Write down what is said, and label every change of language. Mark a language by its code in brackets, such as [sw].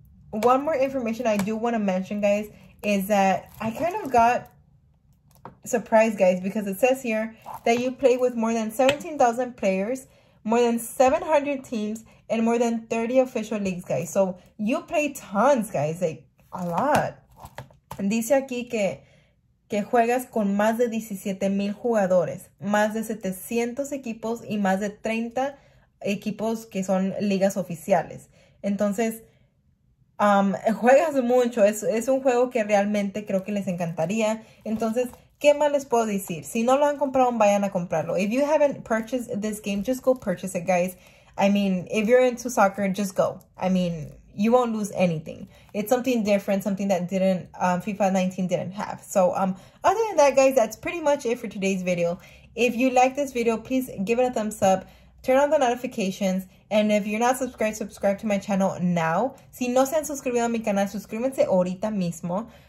[en] One more information I do want to mention, guys, is that I kind of got surprised, guys, because it says here that you play with more than 17,000 players, more than 700 teams, and more than 30 official leagues, guys. So you play tons, guys, like a lot. [es] Dice aquí que juegas con más de 17,000 jugadores, más de 700 equipos y más de 30 equipos que son ligas oficiales. Entonces, juegas mucho. Es un juego que realmente creo que les encantaría. Entonces, ¿qué más les puedo decir? Si no lo han comprado, vayan a comprarlo. [en] If you haven't purchased this game, just go purchase it, guys. I mean, if you're into soccer, just go. I mean, you won't lose anything. It's something different, something that didn't FIFA 19 didn't have. So other than that, guys, that's pretty much it for today's video. If you like this video, please give it a thumbs up. Turn on the notifications. And if you're not subscribed, subscribe to my channel now. [es] Si no se han suscrito a mi canal, suscríbanse ahorita mismo.